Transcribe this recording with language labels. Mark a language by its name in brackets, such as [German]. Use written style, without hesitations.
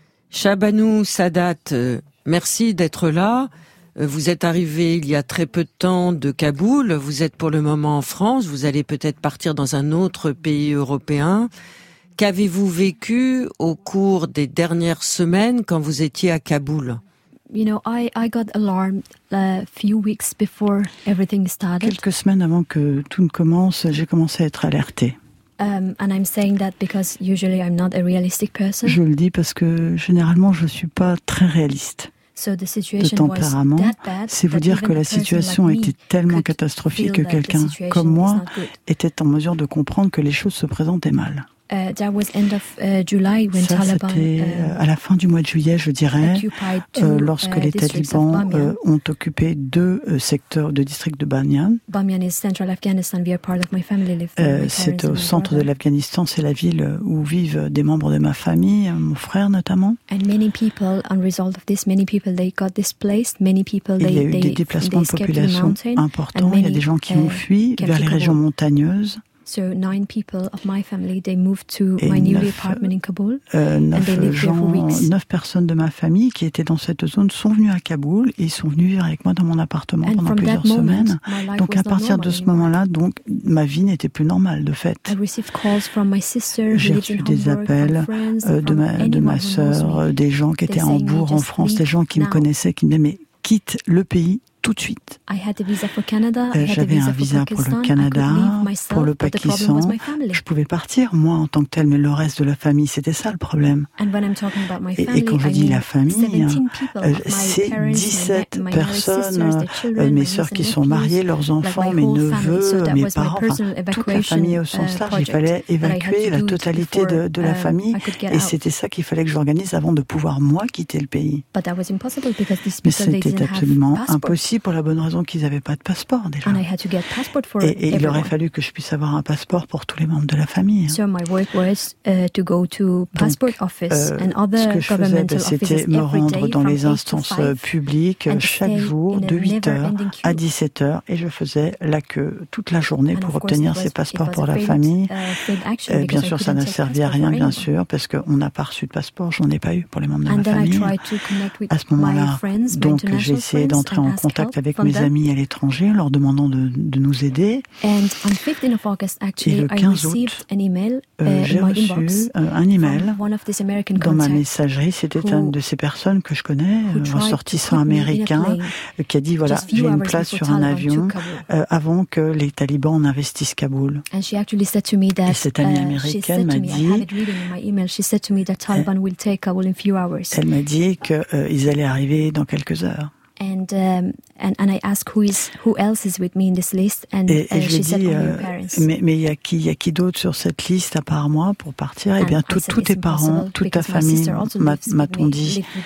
[French] Shabanu Sadat, merci d'être là. Vous êtes arrivé il y a très peu de temps de Kaboul. Vous êtes pour le moment en France. Vous allez peut-être partir dans un autre pays européen. Qu'avez-vous vécu au cours des dernières semaines quand vous étiez à Kaboul? [English] You know, I got alarmed a few weeks before everything started. [French] Quelques semaines avant que tout ne commence, j'ai commencé à être alertée. [English] And I'm saying that because usually I'm not a realistic person. [French] Je le dis parce que généralement je suis pas très réaliste. [English] So the situation [French] de tempérament, [English] was that bad, [French] c'est vous dire que la situation [English] like [French] était tellement catastrophique que quelqu'un comme moi était en mesure de comprendre que les choses se présentaient mal. [English] That was end of July when [French] ça, [English] Taliban, [French] c'était à la fin du mois de juillet, je dirais, lorsque les talibans ont occupé deux secteurs de district de Bamyan. [English] Bamyan is central Afghanistan. We are part of my family. [French] C'est au centre de l'Afghanistan, c'est la ville où vivent des membres de ma famille, mon frère notamment. [English] And many people, on result of this, many people they got displaced. Many people they escaped the mountain. [French] Il y a eu des déplacements de population importants. Il y a des gens qui ont fui vers les régions montagneuses. [English] So nine people of my family they moved to my new apartment in Kabul. [French] Neuf personnes de ma famille qui étaient dans cette zone sont venues à Kaboul et sont venues vivre avec moi dans mon appartement pendant plusieurs semaines. Donc à partir de ce moment-là, donc ma vie n'était plus normale de fait. I received calls from my sister, j'ai reçu des appels de ma sœur, des gens qui étaient à Hambourg en France, des gens qui me connaissaient qui me disaient mais quitte le pays. Tout de suite. J'avais un visa pour le Canada, pour le Pakistan. Je pouvais partir, moi, en tant que telle, mais le reste de la famille, c'était ça le problème. Et quand je dis la famille, c'est 17 personnes, mes sœurs qui sont mariées, leurs enfants, mes neveux, mes parents, enfin, toute la famille au sens large. Il fallait évacuer la totalité de la famille et c'était ça qu'il fallait que j'organise avant de pouvoir, moi, quitter le pays. Mais c'était absolument impossible. Aussi pour la bonne raison qu'ils n'avaient pas de passeport déjà. Et il aurait fallu que je puisse avoir un passeport pour tous les membres de la famille. [English] So my work was to go to passport office and other governmental offices. [French] Ce que je faisais, c'était me rendre dans les instances publiques chaque jour de 8h à 17h et je faisais la queue toute la journée pour obtenir ces passeports pour la famille. Bien sûr, ça n'a servi à rien, bien sûr, parce qu'on n'a pas reçu de passeport, j'en ai pas eu pour les membres de ma famille. À ce moment-là, donc j'ai essayé d'entrer en contact avec mes amis à l'étranger, leur demandant de nous aider. Et le 15 août, j'ai reçu un email dans ma messagerie. C'était une de ces personnes que je connais, ressortissant américain, qui a dit, voilà, j'ai une place sur un avion avant que les talibans n'investissent Kaboul. Et cette amie américaine m'a dit, elle m'a dit qu'ils allaient arriver dans quelques heures. [English] And I ask who else is with me in this list and she said only parents. [French] Mais il y a qui d'autre sur cette liste à part moi pour partir? Et bien tous tes parents, toute ta famille, m'a-t-on dit.